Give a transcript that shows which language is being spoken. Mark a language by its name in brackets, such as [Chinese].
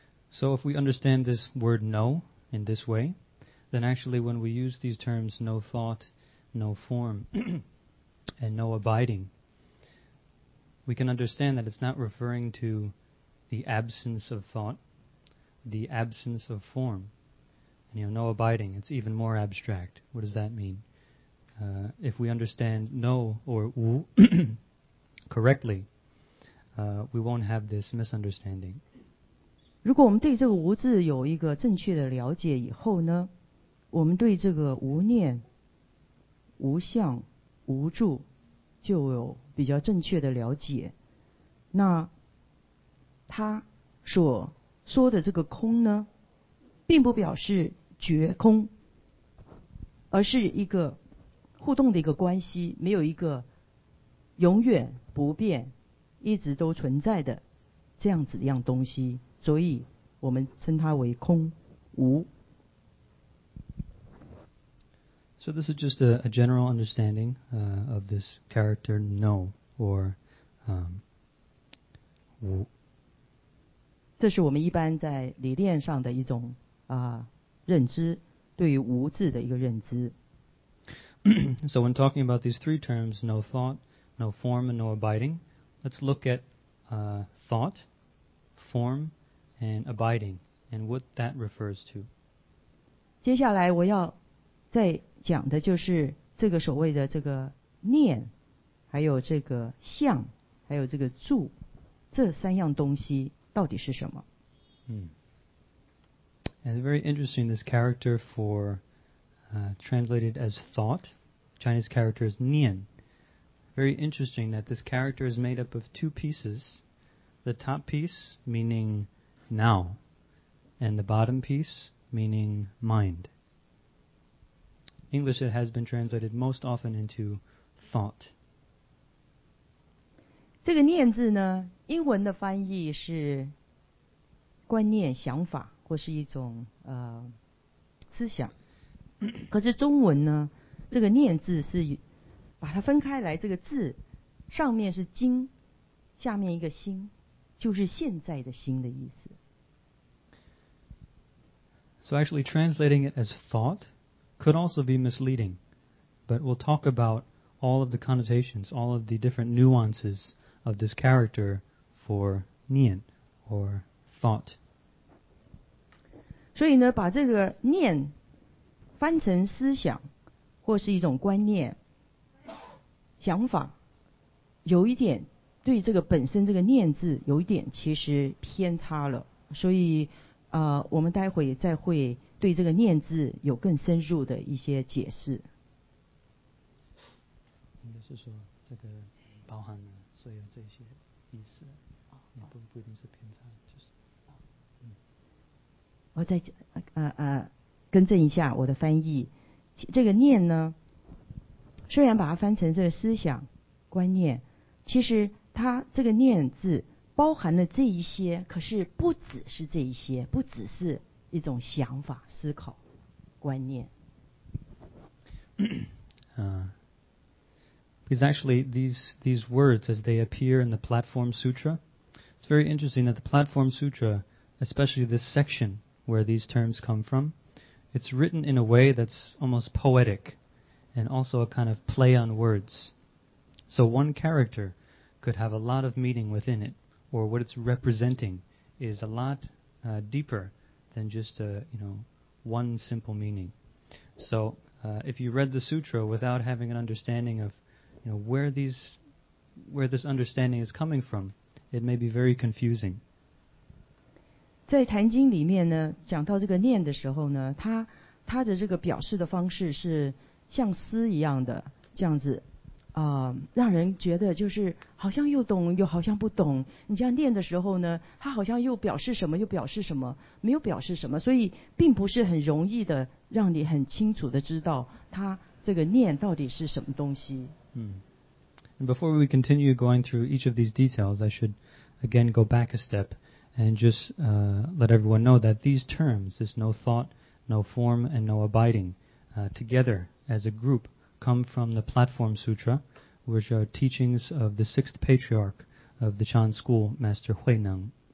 [English] So if we understand this word no in this way, then actually when we use these terms no thought, no form, and no abiding, we can understand that it's not referring to the absence of thought, the absence of form. And, you know, no abiding, it's even more abstract. What does that mean? If we understand no or wu correctly, we won't have this misunderstanding. [Chinese] 如果我们对这个无字有一个正确的了解以后呢，我们对这个无念、无相、无住就有比较正确的了解。那他所说的这个空呢，并不表示绝空，而是一个互动的一个关系，没有一个永远不变、一直都存在的这样子一样东西。所以我们称它为空无。 [English] So this is just a general understanding of this character no or 无。 [Chinese] 这是我们一般在理念上的一种认知，对于无字的一个认知。 [English] So when talking about these three terms, no thought, no form, and no abiding, let's look at thought, form. And abiding, and what that refers to. [Chinese] 接下来我要再讲的就是这个所谓的这个念，还有这个相，还有这个住，这三样东西到底是什么？ [English] And very interesting, this character for translated as thought, Chinese character is nian. Very interesting that this character is made up of two pieces. The top piece meaning... Now, and the bottom piece meaning mind. English, it has been translated most often into thought. [Chinese] 这个念字呢，英文的翻译是观念、想法，或是一种思想。可是中文呢，这个念字是把它分开来，这个字上面是经，下面一个心，就是现在的心的意思。 [English] So actually translating it as thought could also be misleading, but we'll talk about all of the connotations, all of the different nuances of this character for nian, or thought. [Chinese] 所以呢，把这个念翻成思想，或是一种观念，讲法有一点对这个本身这个念字有一点其实偏差了，所以我们待会再会对这个念字有更深入的一些解释。应该是说这个包含了所有这些意思，也不一定是偏差，就是我再更正一下我的翻译。这个念呢，虽然把它翻成这个思想观念，其实它这个念字包含了这一些，可是不只是这一些，不只是一种想法思考观念。 [English] Because actually these words as they appear in the Platform Sutra, it's very interesting that the Platform Sutra, especially this section where these terms come from, it's written in a way that's almost poetic and also a kind of play on words. So one character could have a lot of meaning within it, or what it's representing is a lot deeper than just one simple meaning. So if you read the sutra without having an understanding of where this understanding is coming from, it may be very confusing. [Chinese] 在坛经里面呢，讲到这个念的时候呢，它的这个表示的方式是像诗一样的这样子，让人觉得就是好像又懂又好像不懂。你这样念的时候呢，它好像又表示什么又表示什么，没有表示什么，所以并不是很容易的让你很清楚的知道它这个念到底是什么东西。 [English] And before we continue going through each of these details, I should again go back a step and just let everyone know that these terms, this no thought, no form, and no abiding, together as a group, come from the Platform Sutra, which are teachings of the sixth patriarch of the Chan school, Master Hui Neng.